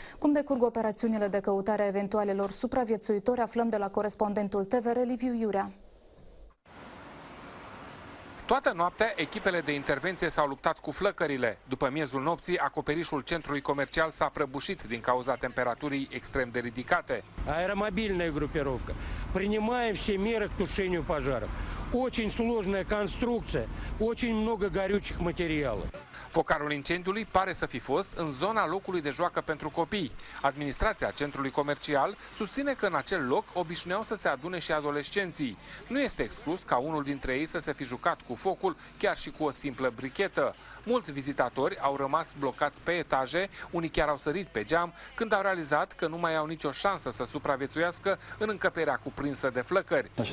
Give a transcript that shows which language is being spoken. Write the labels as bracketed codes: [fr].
[ro] Cum decurg operațiunile de căutare a eventualelor supraviețuitori, aflăm de la corespondentul TVR Liviu Iurea. Toată noaptea, echipele de intervenție s-au luptat cu flăcările. După miezul nopții, acoperișul centrului comercial s-a prăbușit din cauza temperaturii extrem de ridicate. [ru] Aeromobilna grupierovka. Принимаем все меры к тушению пожаров. Очень сложная конструкция, очень много горючих материалов. [ro] Focarul incendiului pare să fi fost în zona locului de joacă pentru copii. Administrația centrului comercial susține că în acel loc obișnuiau să se adune și adolescenții. Nu este exclus ca unul dintre ei să se fi jucat cu focul, chiar și cu o simplă brichetă. Mulți vizitatori au rămas blocați pe etaje, unii chiar au sărit pe geam, când au realizat că nu mai au nicio șansă să supraviețuiască în încăperea cuprinsă de flăcări.